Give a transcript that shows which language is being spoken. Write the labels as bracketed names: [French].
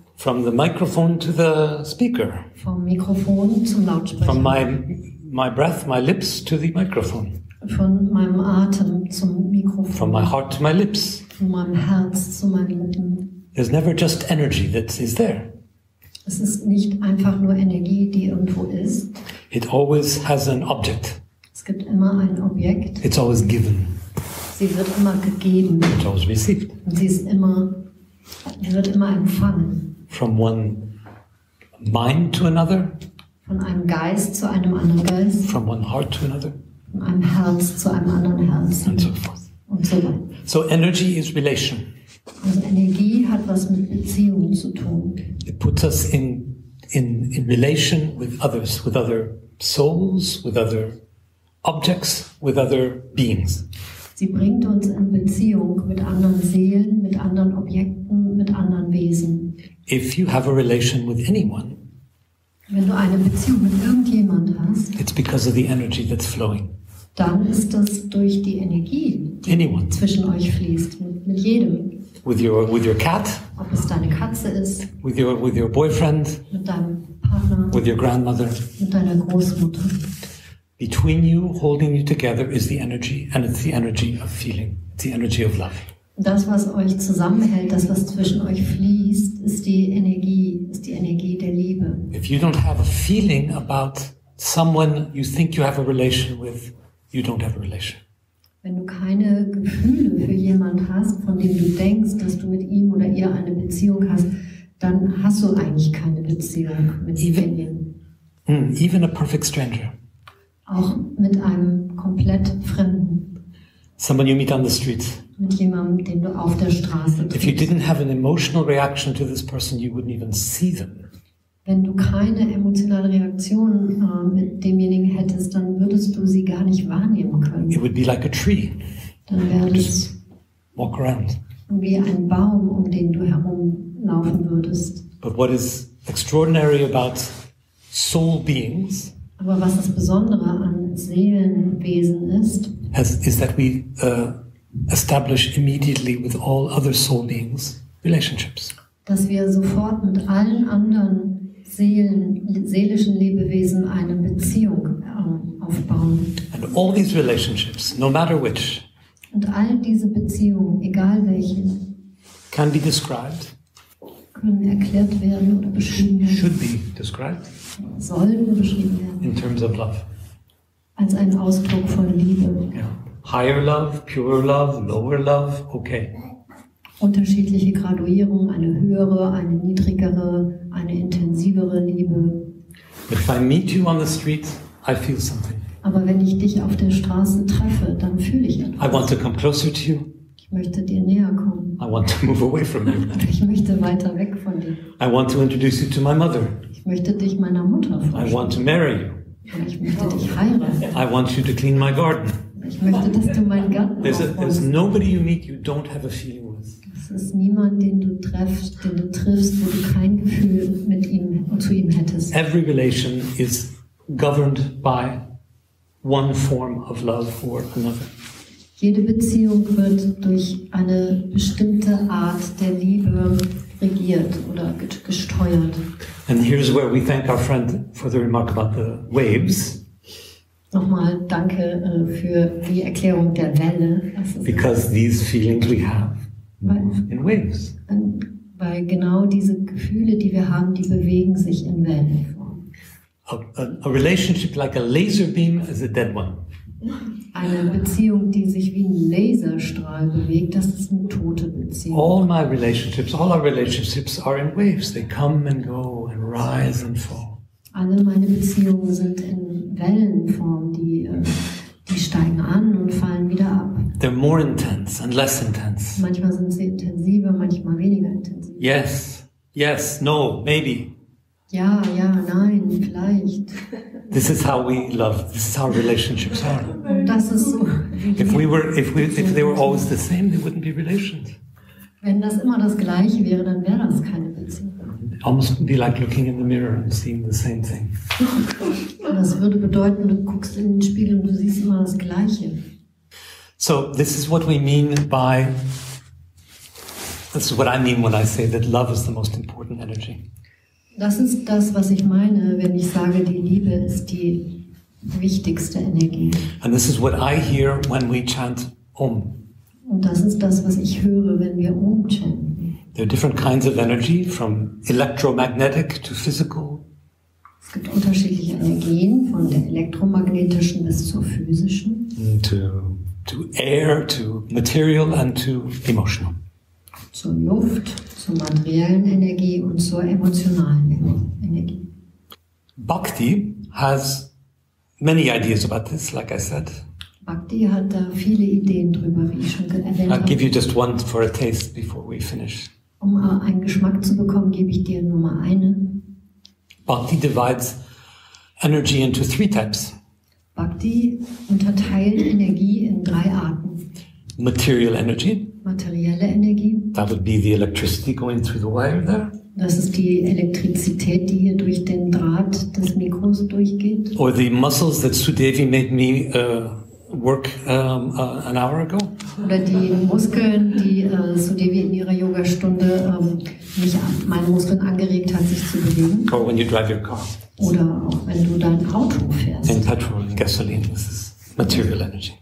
[English] From the microphone to the speaker. [German] Vom Mikrofon zum Lautsprecher. [English] From my breath, my lips to the microphone. [German] Von meinem Atem zum Mikrofon. [English] From my heart to my lips. [German] Von meinem Herz zu meinen Lippen. [English] There's never just energy that is there. [German] Es ist nicht einfach nur Energie, die irgendwo ist. [English] It always has an object. [German] Es gibt immer ein Objekt. [English] It's always given. [German] Sie wird immer gegeben. [English] It's always received. [German] Und sie wird immer empfangen. [English] From one mind to another. [German] Von einem Geist zu einem anderen Geist. [English] From one heart to another. [German] Von einem Herz zu einem anderen Herz. [English] And so forth. [German] Und so weiter. [English] So energy is relation. [German] Also Energie hat was mit Beziehungen zu tun. [English] It puts us in relation with others, with other souls, with other objects, with other beings. [German] Sie bringt uns in Beziehung mit anderen Seelen, mit anderen Objekten, mit anderen Wesen. [English] If you have a relation with anyone, [German] wenn du eine Beziehung mit irgendjemand hast, [English] it's because of the energy that's flowing. [German] Dann ist das durch die Energie, die [English] anyone. [German] Zwischen euch fließt, mit jedem. [English] With your cat, [German] ob es deine Katze ist, [English] with your boyfriend, [German] mit deinem Partner, [English] with your grandmother, [German] mit deiner Großmutter. [English] Between you, holding you together, is the energy, and it's the energy of feeling. It's the energy of love. [German] Das, was euch zusammenhält, das, was zwischen euch fließt, ist die Energie der Liebe. [English] If you don't have a feeling about someone you think you have a relation with, you don't have a relation. [German] Wenn du keine Gefühle für jemanden hast, von dem du denkst, dass du mit ihm oder ihr eine Beziehung hast, dann hast du eigentlich keine Beziehung mit jemandem. [English] Even a perfect stranger. [German] Auch mit einem komplett Fremden. [English] Someone you meet on the street. [German] Mit jemandem, den du auf der Straße triffst. [English] If you didn't have an emotional reaction to this person, you wouldn't even see them. [German] Wenn du keine emotionale Reaktion mit demjenigen hättest, dann würdest du sie gar nicht wahrnehmen können. [English] It would be like a tree. [German] Dann wäre es [English] walk around. [German] Wie ein Baum, um den du herumlaufen würdest. [English] But what is extraordinary about soul beings? [German] Aber was das Besondere an Seelenwesen ist, [English] is that we establish immediately with all other soul beings relationships. [German] Dass wir sofort mit allen anderen seelischen Lebewesen eine Beziehung aufbauen. [English] And all these relationships, no matter which, [German] und all diese Beziehungen, egal welche, [English] can be described, [German] können erklärt werden oder beschrieben werden. [English] Should be described. [German] Sollen beschrieben werden. [English] In terms of love. [German] Als ein Ausdruck von Liebe. [English] Yeah. Higher love, pure love, lower love, okay. [German] Unterschiedliche Graduierung, eine höhere, eine niedrigere, eine intensivere Liebe. [English] If I meet you on the street, I feel something. [German] Aber wenn ich dich auf der Straße treffe, dann fühle ich etwas. [English] I want to come closer to you. [German] Ich möchte dir näher kommen. [English] I want to move away from you. [German] Ich möchte weiter weg von dir. [English] I want to introduce you to my mother. [German] Ich möchte dich meiner Mutter vorstellen. [English] I want to marry you. [German] Und ich möchte dich heiraten. [English] I want you to clean my garden. [German] Ich möchte, dass du meinen Garten aufräumst. [English] There's nobody you meet you don't have a feeling with. [German] Es ist niemand, den du triffst, wo du kein Gefühl mit ihm zu ihm hättest. [English] Every relation is governed by one form of love for another. [German] Jede Beziehung wird durch eine bestimmte Art der Liebe regiert oder gesteuert. [English] And here's where we thank our friend for the remark about the waves. [German] Nochmal danke für die Erklärung der Welle. [English] Because these feelings we have. Move in waves. [German] Weil genau diese Gefühle, die wir haben, die bewegen sich in Wellenform. [English] A relationship like a laser beam is a dead one. [German] Eine Beziehung, die sich wie ein Laserstrahl bewegt, das ist eine tote Beziehung. [English] All my relationships, all our relationships are in waves. They come and go and rise and fall. [German] Alle meine Beziehungen sind in Wellenform, die steigen an und fallen wieder ab. [English] They're more intense and less intense. [German] Manchmal sind sie intensiver, manchmal weniger intensiv. [English] Yes, yes, no, maybe. [German] Ja, ja, nein, vielleicht. [English] This is how we love. This is how relationships are. [German] Das ist so. [English] If they were always the same, they wouldn't be relations. [German] Wenn das immer das Gleiche wäre, dann wäre das keine Beziehung. [English] Almost be like looking in the mirror and seeing the same thing. [German] Das würde bedeuten, du guckst in den Spiegel und du siehst immer das Gleiche. [English] So this is what we mean by, this is what I mean when I say that love is the most important energy. [German] Das ist das, was ich meine, wenn ich sage, die Liebe ist die wichtigste Energie. [English] And this is what I hear when we chant Om. [German] Und das ist das, was ich höre, wenn wir Om chanten. [English] There are different kinds of energy, from electromagnetic to physical. [German] Es gibt unterschiedliche Energien, von der elektromagnetischen bis zur physischen. [English] To air, to material, and to emotional. [German] Zur Luft, zur materiellen Energie und zur emotionalen Energie. [English] Bhakti has many ideas about this, like I said. [German] Bhakti hat da viele Ideen drüber, wie ich schon erwähnt habe. [English] I'll give you just one for a taste before we finish. [German] Um einen Geschmack zu bekommen, gebe ich dir nur mal eine. [English] Bhakti divides energy into three types. [German] Bhakti unterteilt Energie in drei Arten. [English] Material energy. [German] Materielle Energie. [English] That would be the electricity going through the wire there. [German] Das ist die Elektrizität, die hier durch den Draht des Mikros durchgeht. [English] Or the muscles that Sudevi made me work an hour ago. [German] Oder die Muskeln, die Sudevi in ihrer Yogastunde meine Muskeln angeregt hat, sich zu bewegen. [English] Or when you drive your car. [German] Oder auch wenn du dein Auto fährst. [English] In Petrol, in Gasoline, this is material energy.